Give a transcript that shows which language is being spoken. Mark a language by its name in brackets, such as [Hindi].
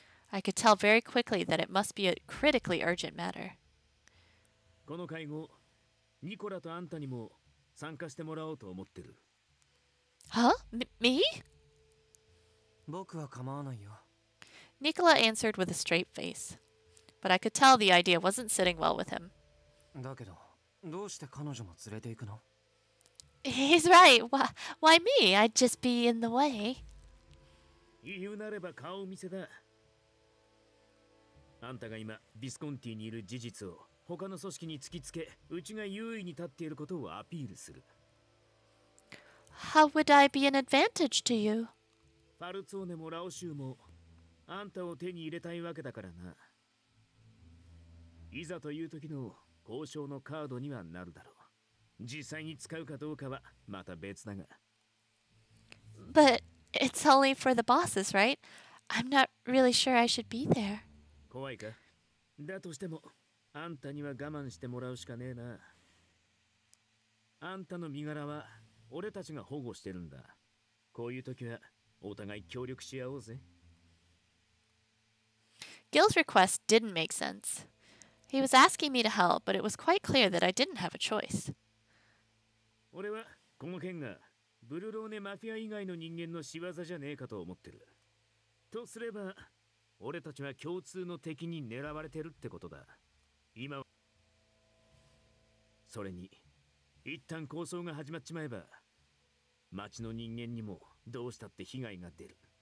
[English] I could tell very quickly that it must be a critically urgent matter. [Japanese] この会合、ニコラとあんたにも参加してもらおうと思ってる。 [English] Huh? Me? [Japanese] 僕は構わないよ。 [English] Nicola answered with a straight face. But I could tell the idea wasn't sitting well with him. [Japanese] だけど、どうして彼女も連れて行くの？ [English] He's right. Why me? I'd just be in the way. [Japanese] 言うなれば顔見せだ。あんたが今、ビスコンティにいる事実を他の組織に突きつけ、うちが優位に立っていることをアピールする。 [English] How would I be an advantage to you? [Japanese] ファルツォーネもラオシューも、あんたを手に入れたいわけだからな。いざという時の交渉のカードにはなるだろう。実際に使うかどうかはまた別だが。 [English] But it's only for the bosses, right? I'm not really sure I should be there. [Japanese] 怖いか？だとしても、あんたには我慢してもらうしかねえな。あんたの身柄は俺たちが保護してるんだ。こういう時はお互い協力し合おうぜ。 [English] Gil's request didn't make sense. He was asking me to help, but it was quite clear that I didn't have a choice. [Japanese] 俺はこの件がブルローネマフィア以外の人間の仕業じゃねえかと思ってる。とすれば、俺たちは共通の敵に狙われてるってことだ。今は。それに、一旦抗争が始まっちまえば、町の人間にもどうしたって被害が出る。